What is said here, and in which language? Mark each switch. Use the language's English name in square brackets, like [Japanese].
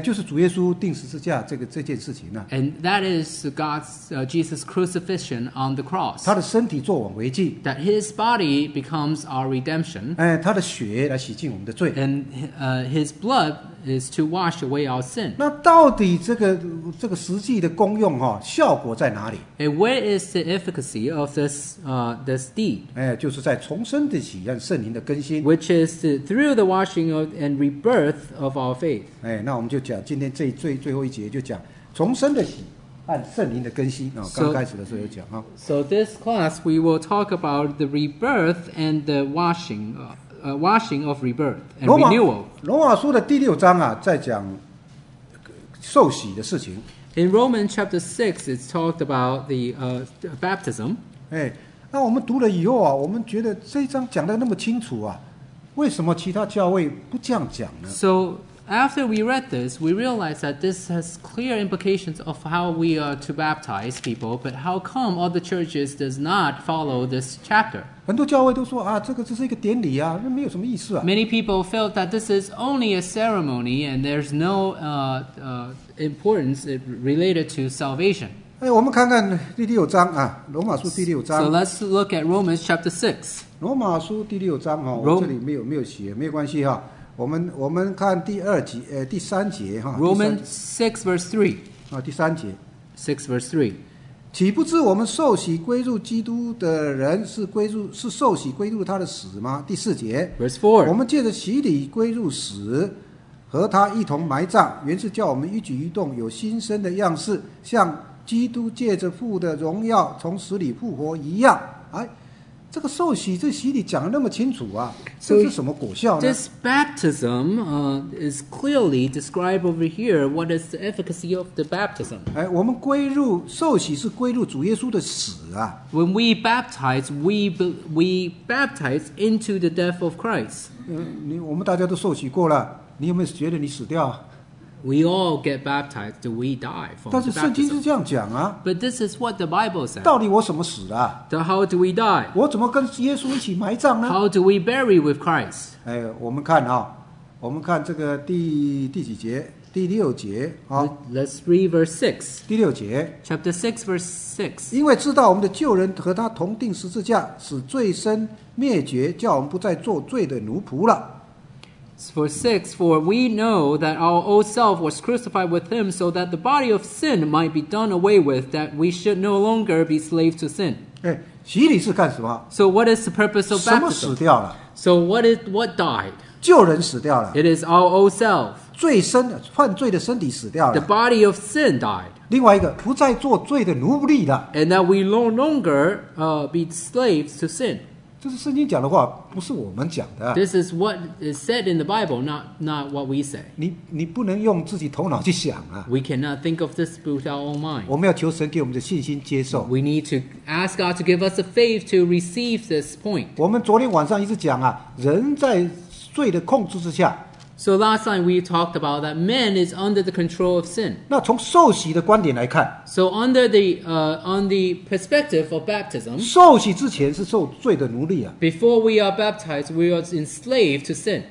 [Chinese] 就是主耶稣钉十字架这件事情 [English] And that is God's Jesus crucifixion on the cross. [Chinese] 他的身体做挽回祭。 [English] That his body becomes our redemption. [Chinese] 他的血来洗净我们的罪。 [English] And his blood is to wash away our sin. [Chinese] 那到底这个实际的功用效果在哪里？ [English] And where is the efficacy of this deed? [Chinese] 就是在重生的喜悦圣灵的更新。 [English] Which is through the washing of and rebirth of our faith. [Chinese] 那我们就讲今天这最后一节就讲重生的喜悦按圣灵的更新刚开始的时候有讲 [English] So this class we will talk about the rebirth and the washing washing of rebirth and renewal. [Chinese] 罗马书的第六章在讲受洗的事情。 [English] In Romans chapter 6, it's talked about the baptism. [Chinese] 那我们读了以后我们觉得这一章讲得那么清楚为什么其他教会不这样讲呢？ [English] So after we read this, we realized that this has clear implications of how we are to baptize people, but how come other churches does not follow this chapter? [Chinese] 很多教会都说这个只是一个典礼那没有什么意思。 [English] Many people felt that this is only a ceremony and there's no importance related to salvation. [Chinese] 我们看看第六章罗马书第六章。 [English] So let's look at Romans chapter 6. [Chinese] 罗马书第六章我这里没有写，没有关系我们看第二节，第三节 [English] Romans 6 verse 3. [Chinese] 第三节。 [English] 6 verse 3. [Chinese] 岂不知我们受洗归入基督的人是受洗归入他的死吗？第四节。 [English] Verse 4. [Chinese] 我们借着洗礼归入死。和他一同埋葬，原是叫我们一举一动有新生的样式，像基督借着父的荣耀从死里复活一样。这个受洗这洗礼讲得那么清楚啊，这是什么果效呢？ [English] So, this baptism, is clearly described over here. What is the efficacy of the baptism? [Chinese] 哎，我们归入受洗是归入主耶稣的死啊。 [English] When we baptize, we baptize into the death of Christ. [Chinese] 你我们大家都受洗过了，你有没有觉得你死掉？ [English] We all get baptized, do we die from [Chinese] 但是圣经是这样讲啊。 [English] But this is what the Bible says. [Chinese] 到底我怎么死的、 [English] so、how do we die? [Chinese] 我怎么跟耶稣一起埋葬呢？ [English] How do we bury with Christ? [Chinese] 哎，我们看啊、哦，我们看这个第几节？第六节啊、 [English] 哦。Let's read verse 6. [Chinese] 第六节。 [English] Chapter 6, verse 6. [Chinese] 因为知道我们的旧人和他同钉十字架，使罪身灭绝，叫我们不再做罪的奴仆了。 [English] For six, for we know that our old self was crucified with him so that the body of sin might be done away with, that we should no longer be slaves to sin. [Chinese] 洗礼是干什么? [English] So what is the purpose of baptism? [Chinese] 什么死掉了? [English] So what died? [Chinese] 旧人死掉了。 [English] It is our old self. [Chinese] 罪身,犯罪的身体死掉了。 [English] The body of sin died. [Chinese] 另外一个,不再做罪的奴隶了。 [English] And that we no longer, be slaves to sin. [Chinese] 这是圣经讲的话，不是我们讲的。 [English] This is what is said in the Bible, not what we say. [Chinese] 你不能用自己头脑去想啊。 [English] We cannot think of this with our own mind. [Chinese] 我们要求神给我们的信心接受。 [English] We need to ask God to give us the faith to receive this point. [Chinese] 我们昨天晚上一直讲啊，人在罪的控制之下。 [English] So last time we talked about that man is under the control of sin. [Chinese] 那从受洗的观点来看 [English] So under the, on the perspective of baptism, [Chinese] 受洗之前是受罪的奴隶啊。 [English] Before we are baptized, we are enslaved to sin.